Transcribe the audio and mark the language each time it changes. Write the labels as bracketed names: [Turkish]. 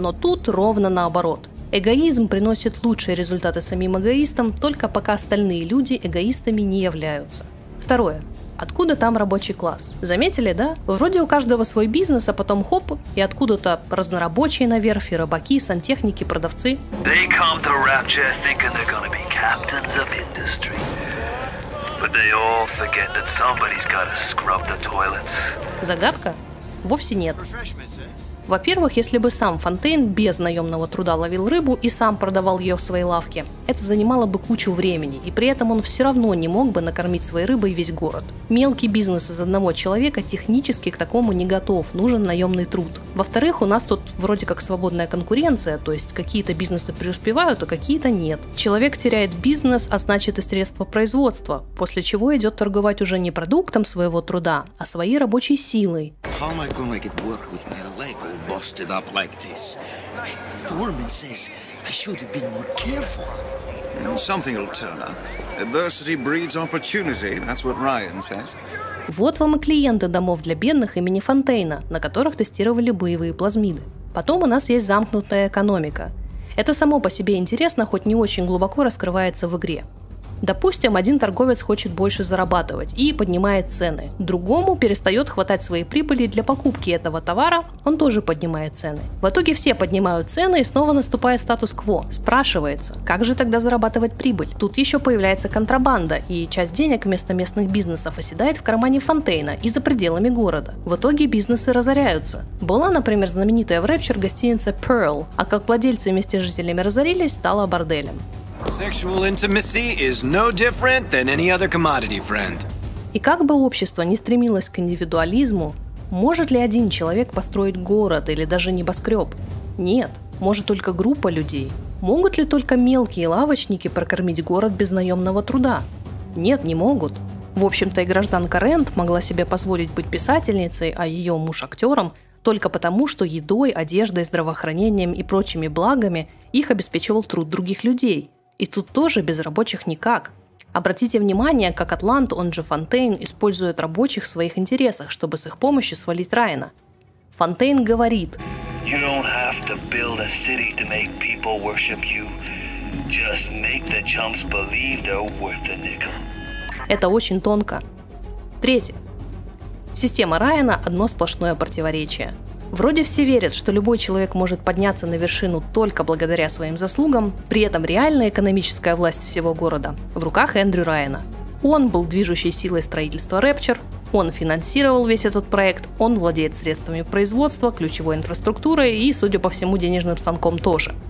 [Russian] Но тут ровно наоборот. Эгоизм приносит лучшие результаты самим эгоистам, только пока остальные люди эгоистами не являются. Второе. Откуда там рабочий класс? Заметили, да? Вроде у каждого свой бизнес, а потом хоп, и откуда-то разнорабочие на верфи, рыбаки, сантехники, продавцы. [English] They come to Rapture thinking they're gonna be captains of industry. But they all forget that somebody's gotta scrub the toilets. [Russian] Загадка? Вовсе нет. Во-первых, если бы сам Фонтейн без наемного труда ловил рыбу и сам продавал ее в своей лавке, это занимало бы кучу времени, и при этом он все равно не мог бы накормить своей рыбой весь город. Мелкий бизнес из одного человека технически к такому не готов, нужен наемный труд. Во-вторых, у нас тут вроде как свободная конкуренция, то есть какие-то бизнесы преуспевают, а какие-то нет. Человек теряет бизнес, а значит и средства производства, после чего идет торговать уже не продуктом своего труда, а своей рабочей силой. [English] How am I gonna make it work with my leg all busted up like this? Foreman says I should have been more careful. Something will turn up. Adversity breeds opportunity, that's what Ryan says. [Russian] Вот вам и клиенты домов для бедных имени Фонтейна, на которых тестировали боевые плазмиды. Потом у нас есть замкнутая экономика. Это само по себе интересно, хоть не очень глубоко раскрывается в игре. Допустим, один торговец хочет больше зарабатывать и поднимает цены. Другому перестает хватать своей прибыли для покупки этого товара, он тоже поднимает цены. В итоге все поднимают цены и снова наступает статус-кво. Спрашивается, как же тогда зарабатывать прибыль? Тут еще появляется контрабанда, и часть денег вместо местных бизнесов оседает в кармане Фонтейна и за пределами города. В итоге бизнесы разоряются. Была, например, знаменитая в Рэпчер гостиница Pearl, а как владельцы вместе с жителями разорились, стала борделем. [English] Sexual intimacy is no different than any other commodity, friend. [Russian] И как бы общество ни стремилось к индивидуализму, может ли один человек построить город или даже небоскреб? Нет, может только группа людей. Могут ли только мелкие лавочники прокормить город без наемного труда? Нет, не могут. В общем-то и гражданка Рент могла себе позволить быть писательницей, а ее муж актером, только потому, что едой, одеждой, здравоохранением и прочими благами их обеспечивал труд других людей. И тут тоже без рабочих никак. Обратите внимание, как Атлант, он же Фонтейн, использует рабочих в своих интересах, чтобы с их помощью свалить Райана. Фонтейн говорит: [English] You don't have to build a city to make people worship you. Just make the chumps believe they're worth a nickel. [Russian] Это очень тонко. Третье. Система Райана – одно сплошное противоречие. Вроде все верят, что любой человек может подняться на вершину только благодаря своим заслугам, при этом реальная экономическая власть всего города в руках Эндрю Райана. Он был движущей силой строительства Рэпчер, он финансировал весь этот проект, он владеет средствами производства, ключевой инфраструктурой и, судя по всему, денежным станком тоже.